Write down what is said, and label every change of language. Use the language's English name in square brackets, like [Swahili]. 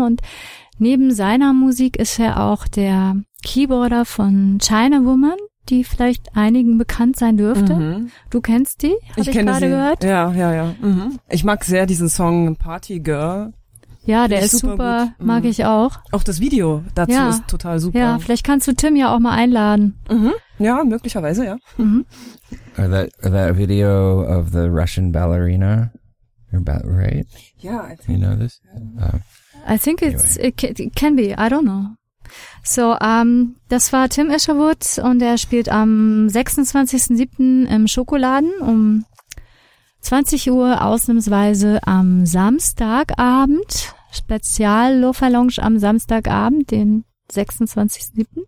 [German] Und neben seiner Musik ist er auch der Keyboarder von China Woman, die vielleicht einigen bekannt sein dürfte. Mhm. Du kennst die, ich gerade sie. Gehört. Ja, ja, ja. Mhm. Ich mag sehr diesen Song Party Girl. Ja, der ist super, mag ich auch. Auch das Video dazu ja. ist total super. Ja, vielleicht kannst du Tim ja auch mal einladen. Mhm. Ja, möglicherweise, ja. Mhm. [English] Or that video of the Russian ballerina, about right? Yeah, I think. You know this? I think it's, anyway. It can be, I don't know. [German] So, das war Tim Isherwood und er spielt am 26.07. im Schokoladen um 20 Uhr ausnahmsweise am Samstagabend, Spezial-Lofa-Lounge am Samstagabend, den 26.07.